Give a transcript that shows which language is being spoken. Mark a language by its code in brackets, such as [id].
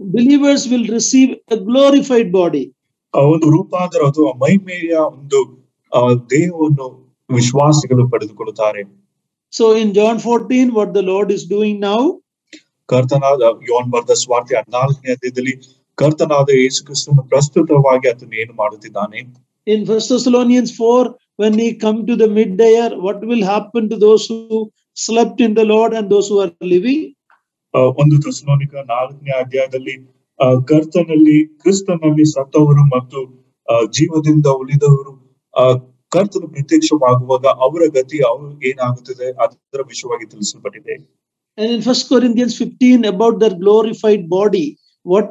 [en] Believers will receive a glorified body. [kn] ಒಂದು ರೂಪಾಂತರ ಅಥವಾ ಮಹಿಮೆಯ ಒಂದು ದೇಹವನ್ನು ವಿಶ್ವಾಸಿಗಳು ಪಡೆದುಕೊಳ್ಳುತ್ತಾರೆ. [en] so in John 14 what the Lord is doing now, [kn] ಕರ್ತನಾದ ಯೋನ್ ಬರೆದ ಸುವಾರ್ತೆ 14ನೇ ಅಧ್ಯಾಯದಲ್ಲಿ ಕರ್ತನಾದ ಯೇಸುಕ್ರಿಸ್ತನು ಪ್ರಸ್ತುತವಾಗಿ ಅದನ್ನು ಏನು ಮಾಡುತ್ತಿದ್ದಾನೆ. [en] In 1 Thessalonians 4 when he come to the midday hour, what will happen to those who slept in the Lord and those who are living? [kn] ಒಂದು ಥೆಸಲೋನಿಕ 4ನೇ ಅಧ್ಯಾಯದಲ್ಲಿ ಕರ್ತನಲ್ಲಿ ಕ್ರಿಸ್ತನಲ್ಲಿ ಸತ್ತವರು ಮತ್ತು ಜೀವದಿಂದ ಉಳಿದವರು ಕರ್ತನು ಪ್ರತ್ಯಕ್ಷವಾಗುವಾಗ ಅವರ ಗತಿ ಅವರು ಏನಾಗುತ್ತದೆ ಅದರ ವಿಷಯವಾಗಿ ತಿಳಿಸಲ್ಪಟ್ಟಿದೆ. [en] And in 1 Corinthians 15 about their glorified body, what